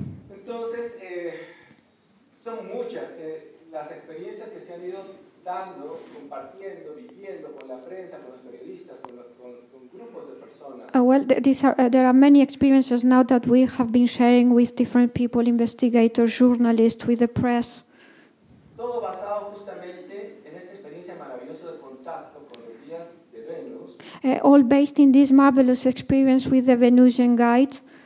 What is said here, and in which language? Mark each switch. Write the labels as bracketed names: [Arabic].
[Spanish] Entonces, son muchas las experiencias que se han ido dando, compartiendo, viviendo con la prensa, con los periodistas, con grupos de personas. [English] There are many experiences now that we have been sharing with different people, investigators, journalists, with the press. [Spanish] Todo basado justamente en esta experiencia maravillosa de contacto con los guías de Venus. [English] All based in this marvelous experience with the Venusian guide.